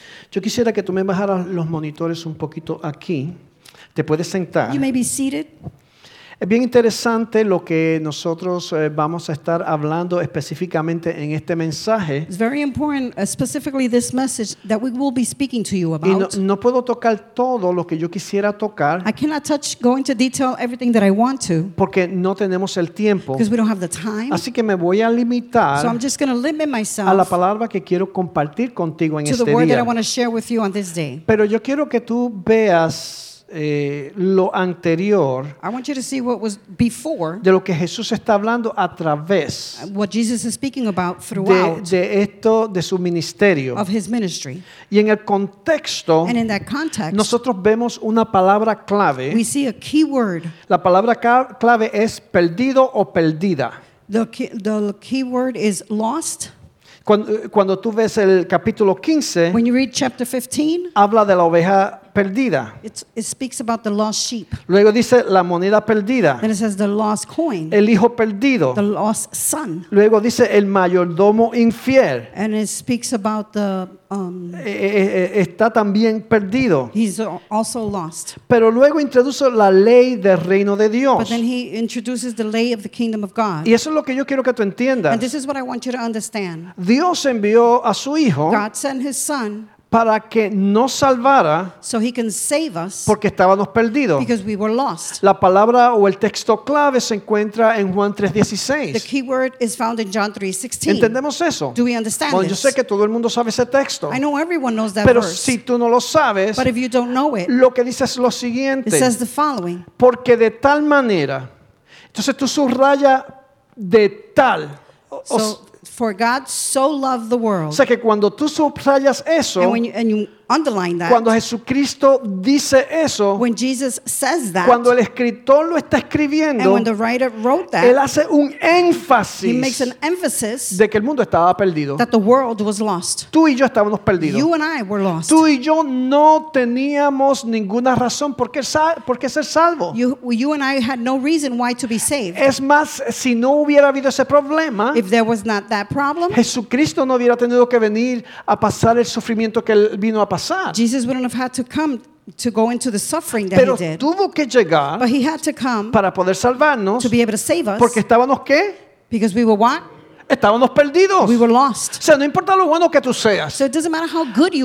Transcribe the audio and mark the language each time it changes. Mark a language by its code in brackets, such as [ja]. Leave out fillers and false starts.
[es] Yo quisiera que tú me bajaras los monitores un poquito aquí. Te puedes sentar. [en] You may be seated. [es] Es bien interesante lo que nosotros vamos a estar hablando específicamente en este mensaje. [en] It's very important, specifically this message that we will be speaking to you about. [es] Y no puedo tocar todo lo que yo quisiera tocar. [en] I cannot touch, go into detail everything that I want to. [es] Porque no tenemos el tiempo. [en] Because we don't have the time. [es] Así que me voy a limitar. [en] So I'm just going to limit myself. [es] A la palabra que quiero compartir contigo en este día. [en] To the word that I want to share with you on this day. [es] Pero yo quiero que tú veas lo anterior, [en] I want you to see what was before, [es] de lo que Jesús está hablando a través, [en] what Jesus is speaking about throughout, [es] de esto, de su ministerio, [en] of his ministry. [es] Y en el contexto, [en] and in that context, [es] nosotros vemos una palabra clave. [en] We see a key word. [es] La palabra clave es perdido o perdida. [en] The key word is lost. [es] Cuando tú ves el capítulo 15, [en] when you read chapter 15, [es] habla de la oveja perdida. [en] It speaks about the lost sheep. [es] Luego dice la moneda perdida. [en] Then it says the lost coin. [es] El hijo perdido. [en] The lost son. [es] Luego dice el mayordomo infiel. [en] And it speaks about the [es] está también perdido. [en] He's also lost. [es] Pero luego introduce la ley del reino de Dios. [en] But then he introduces the lay of the kingdom of God. [es] Y eso es lo que yo quiero que tú entiendas. [en] And this is what I want you to understand. [es] Dios envió a su hijo. [en] God sent his son. [es] Para que nos salvara, [en] so he can save us, [es] porque estábamos perdidos. [en] Because we were lost. [es] La palabra o el texto clave se encuentra en Juan 3:16. [en] The key word is found in John 3:16. [es] ¿Entendemos eso? [en] Do we understand [es] bueno, [en] this? [es] Yo sé que todo el mundo sabe ese texto. [en] I know everyone knows that [es] pero [en] verse. [es] Pero si tú no lo sabes, [en] but if you don't know it, [es] lo que dice es lo siguiente. [en] It says the following. [es] Porque de tal manera, entonces tú subraya de tal. [en] For God so loved the world. [es] O sea que cuando tú subrayas eso, [en] and you underline that, [es] cuando Jesucristo dice eso, [en] when Jesus says that, [es] cuando el escritor lo está escribiendo, [en] and when the writer wrote that, [es] él hace un énfasis, [en] he makes an emphasis, [es] de que el mundo estaba perdido, [en] that the world was lost. [es] Tú y yo estábamos perdidos. [en] You and I were lost. [es] Tú y yo no teníamos ninguna razón por qué ser salvo. [en] You and I had no reason why to be saved. [es] Es más, si no hubiera habido ese problema, [en] if there was not that problem, [es] Jesucristo no hubiera tenido que venir a pasar el sufrimiento que él vino a pasar. [en] Jesus wouldn't have had to come to go into the suffering that [es] pero [en] he did. [es] Tuvo que llegar, [en] but he had to come [es] para poder salvarnos, [en] to be able to save us. [es] Porque estábamos ¿qué? [en] Because we were what? [es] Estábamos perdidos. [en] We were lost. [es] O sea, no importa lo bueno que tú seas. [en] So it doesn't matter how good you